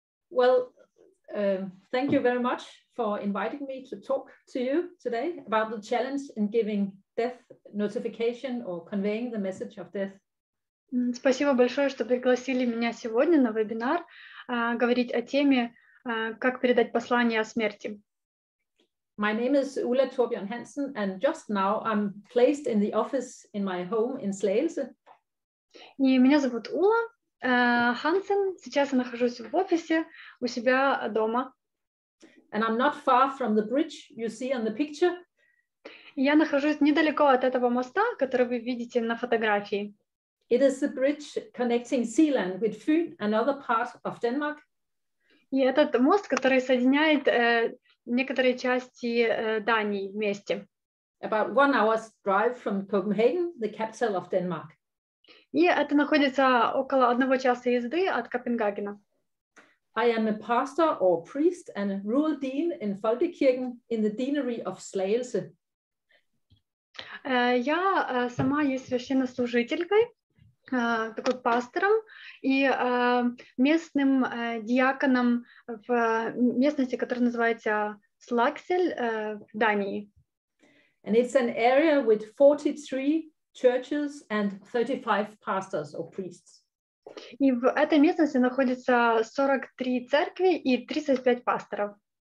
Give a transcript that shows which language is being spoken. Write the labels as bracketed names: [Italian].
[English] Well, thank you very much for inviting me to talk to you today about the challenge in giving death notification or conveying the message of death. [Russian] Спасибо большое, что пригласили меня сегодня на вебинар говорить о теме, как передать послание о смерти. [English] My name is Ulla Torbjørn Hansen, and just now I'm placed in the office in my home in Slagelse. [Russian] И меня зовут Ула Хансен. Сейчас я нахожусь в офисе у себя дома. [English] And I'm not far from the bridge you see on the picture. [Russian] Я нахожусь недалеко от этого моста, который вы видите на фотографии. [English] It is the bridge connecting Zealand with Fyn, another part of Denmark. [Russian] И этот мост, который соединяет некоторые части Дании вместе. [English] About 1 hour's drive from Copenhagen, the capital of Denmark. [Russian] И это находится около 1 часа езды от Копенгагена. [English] I am a pastor or priest and a rural dean in Folkekirken in the deanery of Slagelse. [Russian] Я сама есть священнослужителькой, такой пастором и местным диаконом в местности, которая называется Слаксель в Дании. [English] And it's an area with 43 churches and 35 pastors or priests. [Russian] И в этой местности находится 43 церкви и 35 пасторов.